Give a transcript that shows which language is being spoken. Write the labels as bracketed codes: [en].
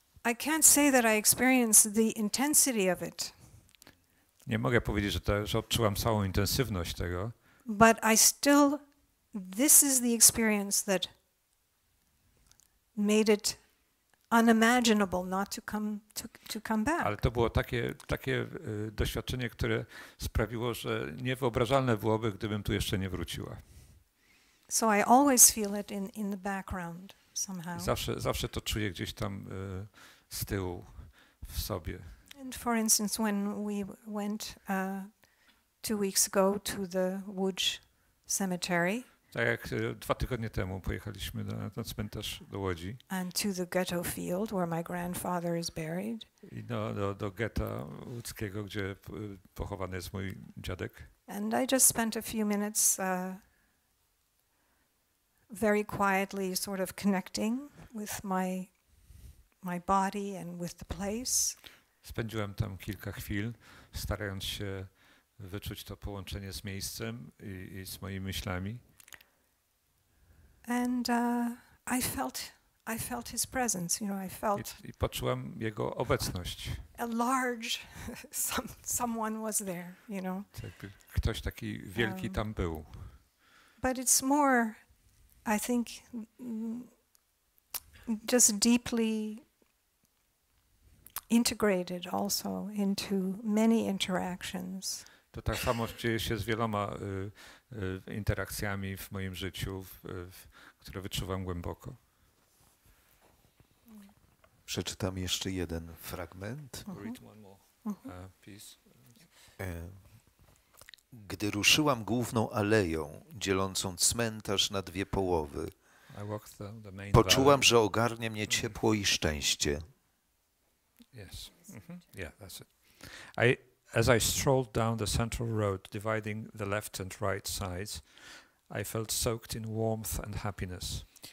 [en] I can't say that I experienced the intensity of it. [pl] Nie mogę powiedzieć, że odczułam całą intensywność tego. [en] But I still, this is the experience that made it unimaginable not to come to come back. [pl] Ale to było takie doświadczenie, które sprawiło, że niewyobrażalne byłoby, gdybym tu jeszcze nie wróciła. [en] So I always feel it in the background somehow. [pl] Zawsze to czuję gdzieś tam z tyłu w sobie. [en] And for instance, when we went 2 weeks ago to the Łódź cemetery. [pl] Tak jak 2 tygodnie temu pojechaliśmy na cmentarz do Łodzi. [en] And to the ghetto field where my grandfather is buried. [pl] I do getta łódzkiego, gdzie pochowany jest mój dziadek. [en] And I just spent a few minutes very quietly sort of connecting with my body and with the place. [pl] Spędziłem tam kilka chwil, starając się wyczuć to połączenie z miejscem i z moimi myślami. [en] And I felt his presence, you know, I felt [pl] I poczułem jego obecność. [en] A large someone was there, you know. [pl] Ktoś taki wielki tam był. [en] But it's more, I think, just deeply integrated also into many interactions. [pl] To tak samo dzieje się z wieloma interakcjami w moim życiu, które wyczuwam głęboko. Przeczytam jeszcze jeden fragment. [en] Read one more piece. [pl] Gdy ruszyłam główną aleją, dzielącą cmentarz na dwie połowy, poczułam, że ogarnia mnie ciepło i szczęście. [en] Yes. Mm-hmm. Yeah, that's it. As I strolled down the central road, dividing the left and right sides, I felt soaked in warmth and happiness.